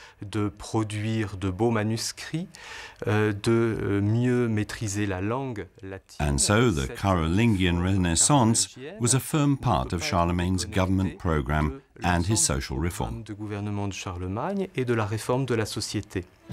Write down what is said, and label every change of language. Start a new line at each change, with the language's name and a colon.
French: De produire de beaux manuscrits, de mieux maîtriser la langue latine.
English: And so the Carolingian Renaissance was a firm part of Charlemagne's government program and his social reform.
French: De gouvernement de Charlemagne et de la réforme de la société.